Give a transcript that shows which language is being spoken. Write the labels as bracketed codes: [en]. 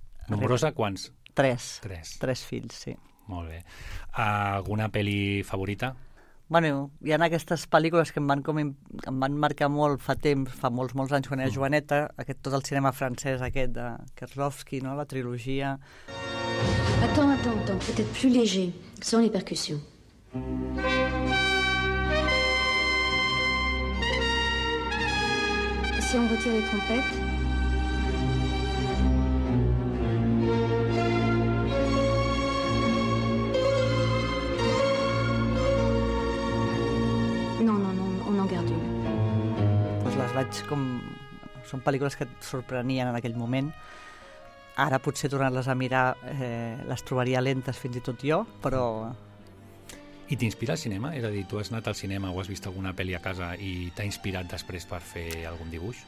[ca] Nombrosa, quants? Tres. Tres fills, sí. Molt bé. Alguna pel·li favorita? Bueno, hi ha aquestes pel·lícules que em van marcar molt fa temps, fa molts, molts anys, quan era joveneta, tot el cinema francès aquest de Kieslowski, no? La trilogia. [fr] Attends, peut-être plus léger, sans les percussions. si on retire les trompettes? Non, non, non, on en garde une. [ca] Pues les vaig com... Són pel·lícules que et sorprenien en aquell moment. Ara potser tornar-les a mirar les trobaria lentes fins i tot jo, però... I t'inspira el cinema? És a dir, tu has anat al cinema o has vist alguna pel·li a casa i t'ha inspirat després per fer algun dibuix?